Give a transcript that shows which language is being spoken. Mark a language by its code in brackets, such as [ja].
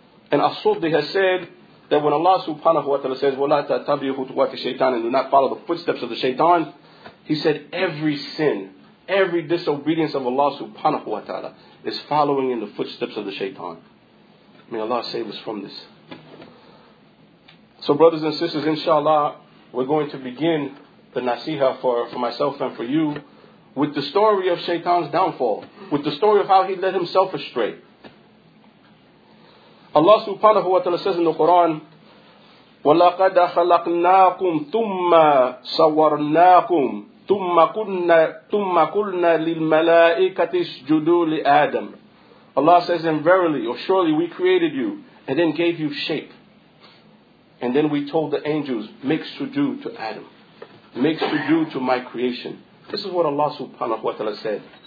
[en] And As-Suddi has said that when Allah subhanahu wa ta'ala says, [ar] وَلَا تَتَّبِيُوا خُطُوَاتِ الشَّيْطَانِ, [en] and do not follow the footsteps of the shaitan, he said every sin, every disobedience of Allah subhanahu wa ta'ala is following in the footsteps of the shaitan. May Allah save us from this. So brothers and sisters, inshallah, we're going to begin the nasiha for myself and for you with the story of Shaitan's downfall, with the story of how he led himself astray. Allah subhanahu wa ta'ala says in the Quran, [ar] وَلَقَدَ خَلَقْنَاكُمْ ثُمَّ صَوَّرْنَاكُمْ ثُمَّ قُلْنَا لِلْمَلَائِكَةِ اسْجُدُوا لِآدَمْ. [en] Allah says, and verily or surely we created you and then gave you shape. And then we told the angels, make sujood to Adam. Make sujood to my creation. This is what Allah subhanahu wa ta'ala said.